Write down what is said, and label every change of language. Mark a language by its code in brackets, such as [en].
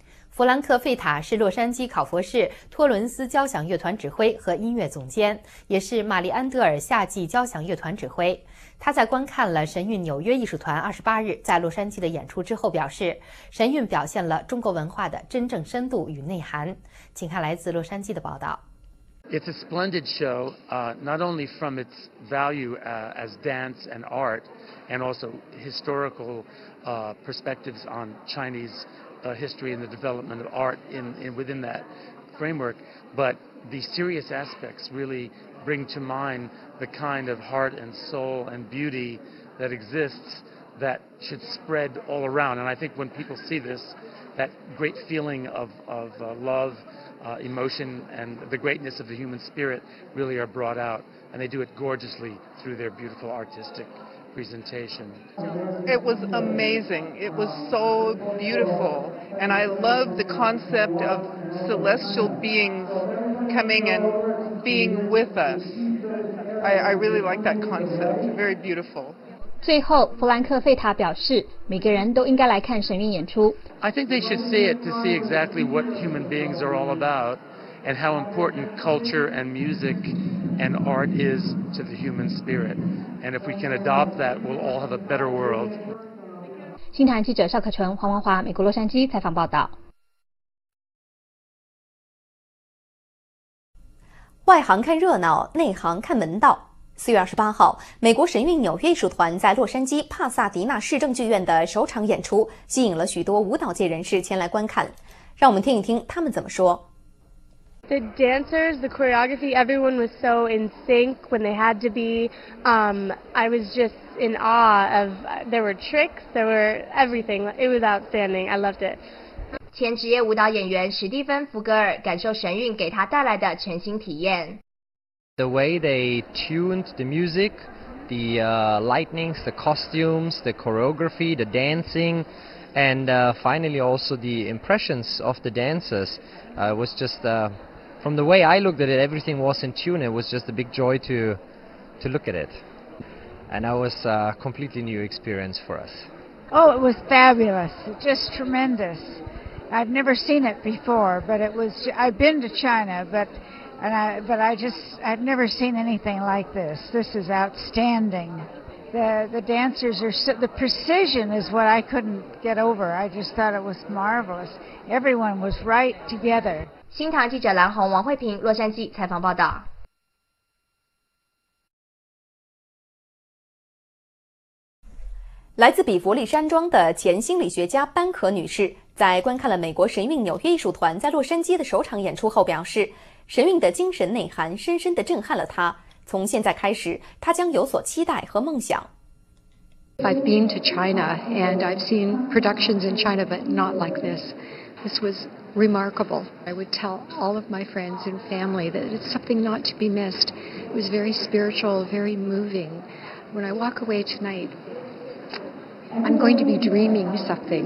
[zh] 弗兰克·费塔是洛杉矶考佛市托伦斯交响乐团指挥和音乐总监，也是玛丽安德尔夏季交响乐团指挥。他在观看了神韵纽约艺术团28日在洛杉矶的演出之后表示，神韵表现了中国文化的真正深度与内涵。请看来自洛杉矶的报道。 [en] It's a splendid show, not only from its value as dance and art, and also historical perspectives on Chinese history and the development of art in within that framework, but the serious aspects really bring to mind the kind of heart and soul and beauty that exists that should spread all around. And I think when people see this, that great feeling of love, emotion, and the greatness of the human spirit really are brought out, and they do it gorgeously through their beautiful artistic presentation. It was amazing. It was so beautiful. And I love the concept of celestial beings coming and being with us. I really like that concept. Very beautiful. [zh] 最后，弗兰克·费塔表示，每个人都应该来看神韵演出。 [en] I think they should see it to see exactly what human beings are all about and how important culture and music and art is to the human spirit. And if we can adopt that, we'll all have a better world. [zh] 新唐记者邵可淳、黄文华，美国洛杉矶采访报道。外行看热闹，内行看门道。 4月28号，美国神韵纽约艺术团在洛杉矶帕萨迪纳市政剧院的首场演出，吸引了许多舞蹈界人士前来观看。让我们听一听他们怎么说。 [en] The dancers, the choreography, everyone was so in sync when they had to be. I was just in awe of, there were tricks, there were everything. It was outstanding. I loved it. [zh] 前职业舞蹈演员史蒂芬·福格尔感受神韵给他带来的全新体验。 [en] The way they tuned the music, the lightnings, the costumes, the choreography, the dancing, and finally also the impressions of the dancers was just... From the way I looked at it, everything was in tune. It was just a big joy to look at it. And that was a completely new experience for us. Oh, it was fabulous. Just tremendous. I've never seen it before, but it was... I've been to China, but I've never seen anything like this. This is outstanding. The dancers are... So, the precision is what I couldn't get over. I just thought it was marvelous. Everyone was right together. [zh] 新唐记者蓝红、王慧平，洛杉矶采访报道。来自比佛利山庄的前心理学家班可女士，在观看了美国神韵纽约艺术团在洛杉矶的首场演出后表示，神韵的精神内涵深深地震撼了她，从现在开始，她将有所期待和梦想。 [en] I've been to China and I've seen productions in China, but not like this. This wasremarkable. I would tell all of my friends and family that it's something not to be missed. It was very spiritual, very moving. When I walk away tonight, I'm going to be dreaming something.